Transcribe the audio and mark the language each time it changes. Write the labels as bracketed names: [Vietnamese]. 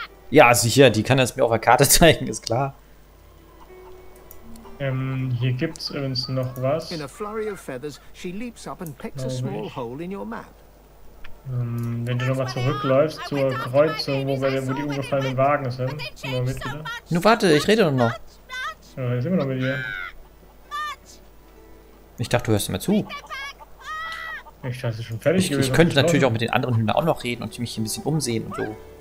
[German] Ja, sicher, die kann das mir auf der Karte zeigen, ist klar. Hier gibt's übrigens noch was. [English] In a flurry of feathers, she leaps up and picks a small hole in your map. [German] Wenn du nochmal zurückläufst zur Kreuzung, wo die umgefallenen Wagen sind. Nur warte, ich rede nur noch. Ja, hier sind wir noch mit dir. Ich dachte, du hörst mir zu. Ich dachte, ist schon fertig. Ich könnte natürlich auch mit den anderen Hühnern auch noch reden und mich hier ein bisschen umsehen und so.